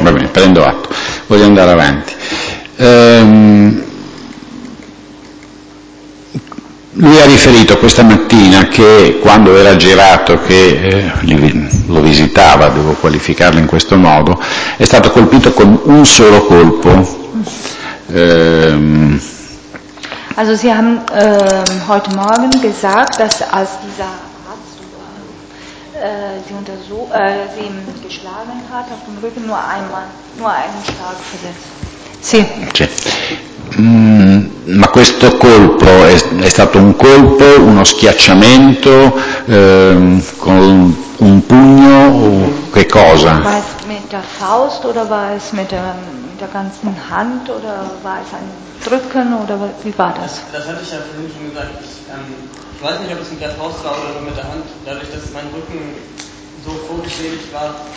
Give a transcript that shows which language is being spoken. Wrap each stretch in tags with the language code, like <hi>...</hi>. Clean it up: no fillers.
<it>Va bene, prendo atto, voglio andare avanti. Lui ha riferito questa mattina che quando era girato, che lo visitava, devo qualificarlo in questo modo, è stato colpito con un solo colpo.</it> <de>Also sie haben heute Morgen gesagt, dass als dieser Arzt sie geschlagen hat auf dem Rücken nur einen Schlag versetzt.</de> <it>Sì. Cioè, ma questo colpo è stato un colpo, uno schiacciamento con un pugno o che cosa?</it> <de>War es mit der Faust oder war es mit der ganzen Hand oder war es ein Drücken oder wie war das? Das hatte ich ja vorhin schon gesagt. Ich weiß nicht, ob es mit der Faust war oder mit der Hand. Dadurch, dass mein Rücken so vorgeschädigt war,</de>